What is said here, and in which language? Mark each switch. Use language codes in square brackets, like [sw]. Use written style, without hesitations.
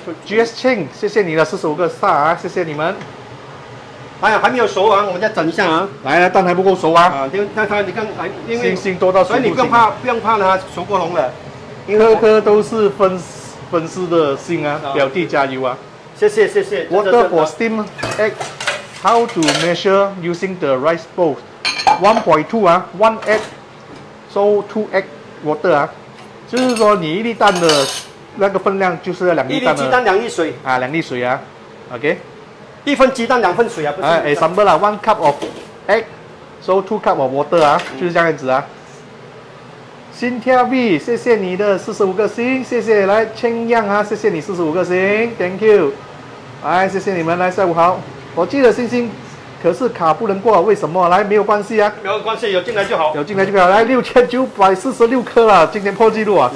[zh] GS Ching， 谢谢你的45个 star 啊，谢谢你们。哎呀，还没有熟啊，我们再整一下啊。来啊，蛋还不够熟啊。啊，因为星星多到熟不行。所以你不用怕它熟过龙了。颗颗都是粉丝的心啊，表弟加油啊。谢谢。 [en] Water for steam egg。 How to measure using the rice bowl? [zh] 1.2 啊 ， [en] 1 egg， so 2 egg water [zh] 啊，就是说你一粒蛋的那个分量就是两粒蛋的。一粒鸡蛋两粒水。啊，两粒水啊 ，OK。一分鸡蛋两分水啊，不是。 [en] 哎 ，example 啦 ，1 cup of egg， so 2 cup of water 啊， [zh] 就是这样子啊。 Cynthia V， 谢谢你的45个星，谢谢来千样啊，谢谢你45个星 ， [en] Thank you。 [zh] 哎，谢谢你们，来下午好。我记得星星，可是卡不能过，为什么？来，没有关系啊，没有关系，有进来就好，有进来就好。来，6946颗了，今天破纪录啊！